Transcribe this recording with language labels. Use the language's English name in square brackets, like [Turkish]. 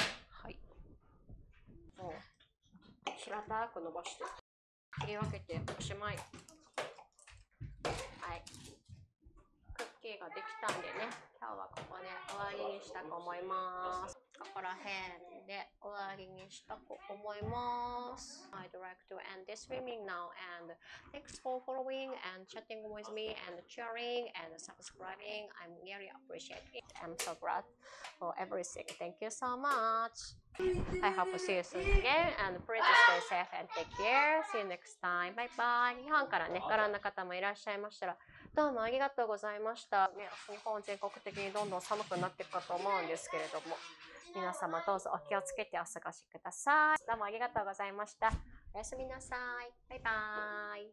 [Japanese] はい、もう平たく伸ばして切り分けておしまい。はい、クッキーができたんでね、今日はここで終わりにしたと思います。ここら辺で終わりにしたと思います。 [English] I'd like to end this streaming now and thanks for following and chatting with me and cheering and subscribing. I'm really appreciate it. I'm so grateful for everything. Thank you so much. I hope to see you soon again and please stay safe and take care. See you next time. Bye bye. [Japanese] 日本からね、ご覧の方もいらっしゃいましたら、どうもありがとうございました。ね、日本全国的にどんどん寒くなっていくかと思うんですけれども。皆様どうぞお気をつけてお過ごしください。どうもありがとうございました。おやすみなさい。バイバーイ。